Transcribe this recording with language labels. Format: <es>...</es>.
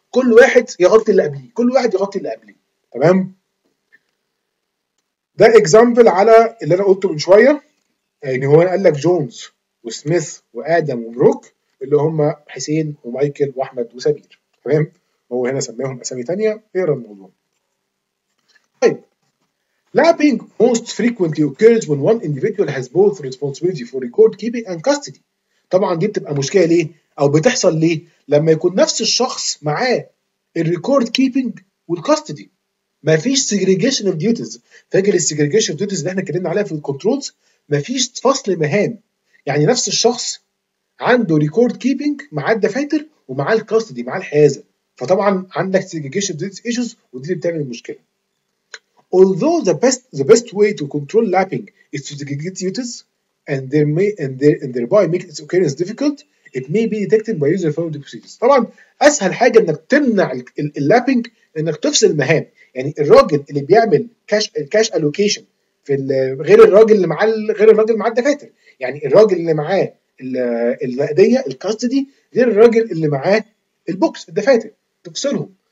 <ar>كل واحد يغطي اللي قبليه، كل واحد يغطي اللي قبليه، تمام؟ ده اكزامبل على اللي انا قلته من شويه، يعني هو قال لك جونز وسميث وادم وبروك اللي هم حسين ومايكل واحمد وسمير، تمام؟ هو هنا سماهم اسامي ثانيه، اقرا الموضوع.</ar> <en>طيب Lapping most frequently occurs when one individual has both responsibility for record keeping and custody.</en> <ar>طبعا دي بتبقى مشكله ليه؟ او بتحصل ليه؟ لما يكون نفس الشخص معاه الريكورد كيبنج والكاستدي. مفيش</ar> <en>segregation of duties.</en> <ar>فاكر السيجريجيشن اوف ديوتيز اللي احنا اتكلمنا عليها في الكنترولز؟ مفيش فصل مهام. يعني نفس الشخص عنده ريكورد كيبنج مع الدفاتر ومع الكاستدي مع الحيازه. فطبعا عندك سيجيجيشن ديز ايشوز ودي اللي بتعمل المشكله.</ar> <en>Although the best way to control lapping is to segregate duties and there may and thereby make its occurrence difficult, it may be detected by user found procedures.</en> <ar>طبعا اسهل حاجه انك تمنع اللابنج انك تفصل المهام. يعني الراجل اللي بيعمل كاش الوكيشن في غير الراجل اللي معاه غير الراجل معاه الدفاتر. يعني الراجل اللي معاه النقديه الكاستدي غير الراجل اللي معاه البوكس الدفاتر, تفصلهم.</ar>